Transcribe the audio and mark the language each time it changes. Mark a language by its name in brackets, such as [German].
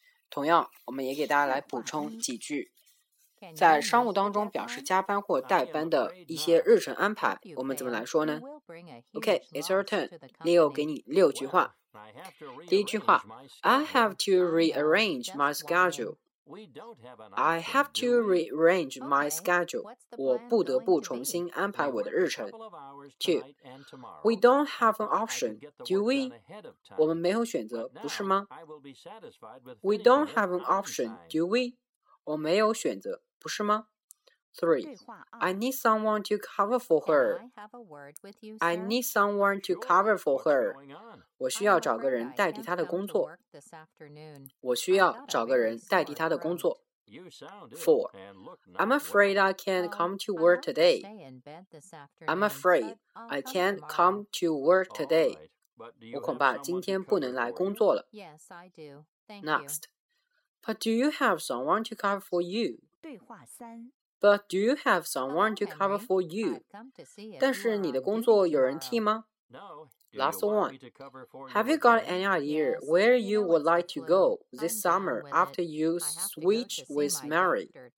[Chinese] 同样，我们也给大家来补充几句。在商务当中表示加班或代班的一些日程安排，我们怎么来说呢？ [English] OK, it's your turn. Leo [Chinese] 给你六句话。第一句话 [English] I have to rearrange my schedule. I have to rearrange my schedule. [Chinese] 我不得不重新安排我的日程。 [English] Two, we don't have an option, do we? [Chinese] 我们没有选择，不是吗？ [English] We don't have an option, do we? [Chinese] 我没有选择，不是吗？ [English] 3. I need someone to cover for her. I need someone to cover for her. [Chinese] 我需要找个人代替她的工作。我需要找个人代替她的工作。 [English] 4. I'm afraid I can't come to work today. I'm afraid I can't come to work today. [Chinese] 我恐怕今天不能来工作了。 [English] Yes, I do. Next. But do you have someone to cover for you? [Chinese] 对话三 [English] But do you have someone to cover for you? [Chinese] 但是你的工作有人替吗？ [English] Last one. Have you got any idea where you would like to go this summer after you switch with Mary?